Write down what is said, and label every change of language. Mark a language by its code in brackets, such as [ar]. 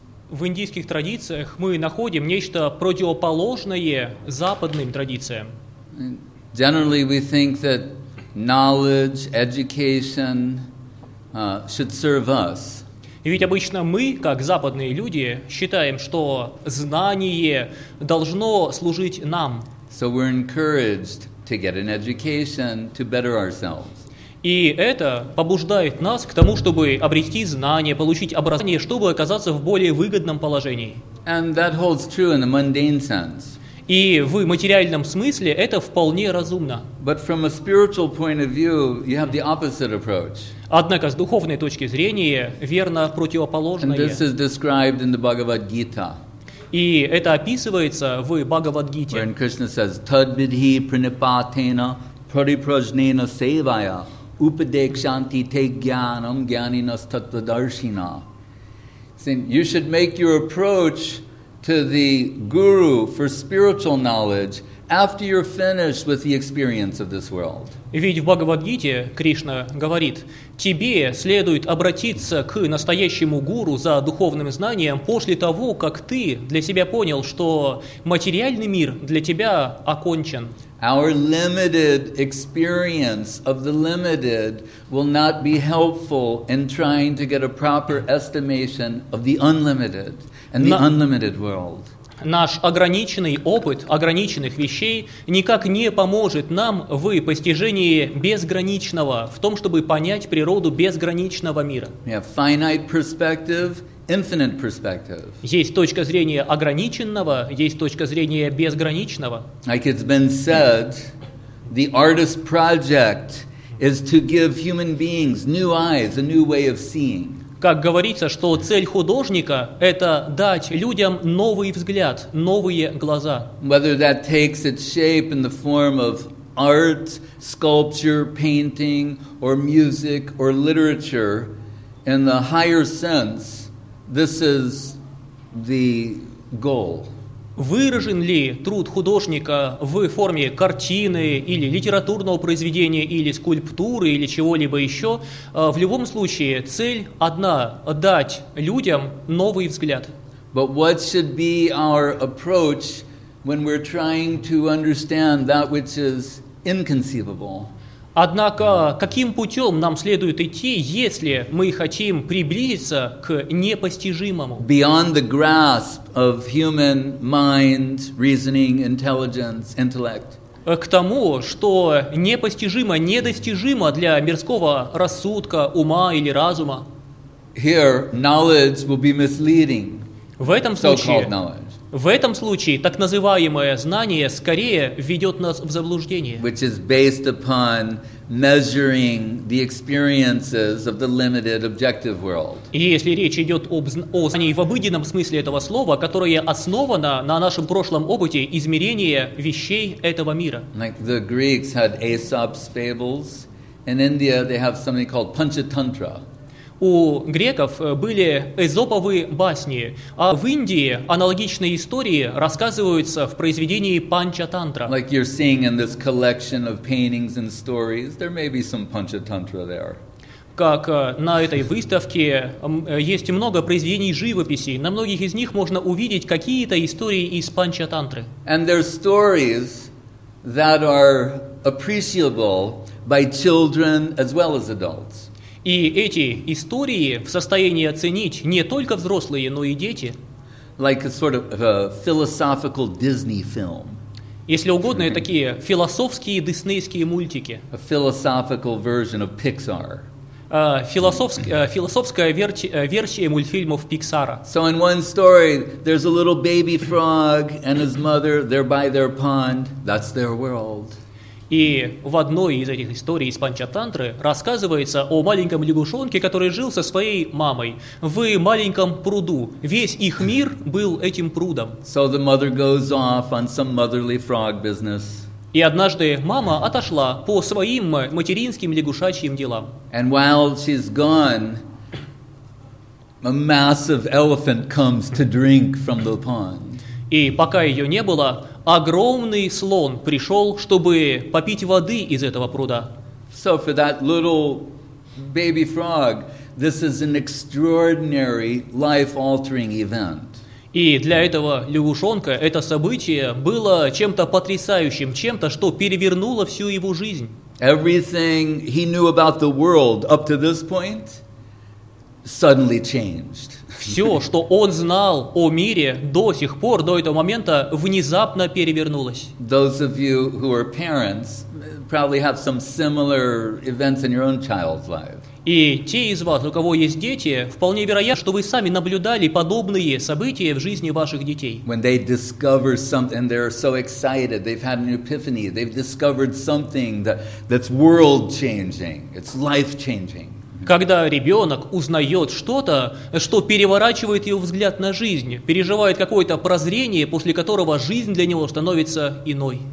[ru] В индийских традициях мы находим нечто противоположное западным традициям. [en] Generally, we think that knowledge, education, should serve us. [ru] И ведь обычно мы, как западные люди, считаем, что знание должно служить нам. [en] So we're encouraged to get an education to better ourselves. [ru] И это побуждает нас к тому, чтобы обрести знания, получить образование, чтобы оказаться в более выгодном положении. [en] And that holds true in a mundane sense. [ru] И в материальном смысле это вполне разумно. [en] But from a spiritual point of view, you have the opposite approach. [ru] Однако с духовной точки зрения верно противоположное. [en] And this is described in the Bhagavad Gita. [ru] И это описывается в Бхагавад-гите. [en] Where Krishna says, [sa] Tadbidhi pranipatena pariprajnena sevaya upadekshanti te gyanam gyaninas tattvadarshina. [en] Saying, you should make your approach to the guru for spiritual knowledge after you're finished with the experience of this world. [ru] И ведь в Бхагавад-гите Кришна говорит, тебе следует обратиться к настоящему гуру за духовным знанием после того, как ты для себя понял, что материальный мир для тебя окончен. [en] Our limited experience of the limited will not be helpful in trying to get a proper estimation of the unlimited and the unlimited world. [ru] Наш ограниченный опыт ограниченных вещей никак не поможет нам в постижении безграничного, в том, чтобы понять природу безграничного мира. [en] We have finite perspective, infinite perspective. [ru] Есть точка зрения ограниченного, есть точка зрения безграничного. [en] Like it's been said, the artist's project is to give human beings new eyes, a new way of seeing. [ru] Как говорится, что цель художника — это дать людям новый взгляд, новые глаза. [en] Whether that takes its shape in the form of art, sculpture, painting, or music, or literature, in the higher sense, this is the goal. [ru] Выражен ли труд художника в форме картины или литературного произведения, или скульптуры, или чего-либо еще, в любом случае цель одна – дать людям новый взгляд. [en] But what should be our approach when we're trying to understand that which is inconceivable? [ru] Однако, каким путем нам следует идти, если мы хотим приблизиться к непостижимому? [en] Beyond the grasp of human mind, reasoning, intelligence, intellect. [ru] К тому, что непостижимо, недостижимо для мирского рассудка, ума или разума. [en] Here, knowledge will be misleading. [ru] В этом случае... В этом случае так называемое знание скорее ведет нас в заблуждение. [en] Which is based upon measuring the experiences of the limited objective world. [ru] И если речь идет о знании в обыденном смысле этого слова, которое основано на нашем прошлом опыте измерения вещей этого мира. [en] Like the Greeks had Aesop's fables, in India they have something called Panchatantra. [ru] У греков были эзоповые басни, а в Индии аналогичные истории рассказываются в произведении Панчатантра. [en] Like you're seeing in this collection of paintings and stories, there may be some Panchatantra there. [ru] Как на этой выставке есть много произведений живописи, на многих из них можно увидеть какие-то истории из Панчатантры. [en] And there are stories that are appreciable by children as well as adults. [ru] И эти истории в состоянии оценить не только взрослые, но и дети. [en] Like a sort of a philosophical Disney film. [ru] Если угодно, такие философские диснейские мультики. [en] A philosophical version of Pixar. [ru] Философская версия мультфильмов Pixar. [en] So in one story, there's a little baby frog and his mother, they're by their pond, that's their world. [ru] И в одной из этих историй из Панчатантры рассказывается о маленьком лягушонке, который жил со своей мамой в маленьком пруду. Весь их мир был этим прудом. [en] So the mother goes off on some motherly frog business. [ru] И однажды мама отошла по своим материнским лягушачьим делам. [en] And while she's gone, a massive elephant comes to drink from the pond. [ru] И пока ее не было, огромный слон пришел, чтобы попить воды из этого пруда. [en] So for that little baby frog, this is an extraordinary life-altering event. [ru] И для этого лягушонка это событие было чем-то потрясающим, чем-то, что перевернуло всю его жизнь. [en] Everything he knew about the world up to this point suddenly changed. [ru] Все, что он знал о мире до сих пор, до этого момента, внезапно перевернулось. [en] Those of you who are parents probably have some similar events in your own child's life. [ru] И те из вас, у кого есть дети, вполне вероятно, что вы сами наблюдали подобные события в жизни ваших детей. [en] When they discover something, and they're so excited, they've had an epiphany, they've discovered something that's world-changing, it's life-changing. [ru] Когда ребенок узнает что-то, что переворачивает его взгляд на жизнь, переживает какое-то прозрение, после которого жизнь для него становится иной.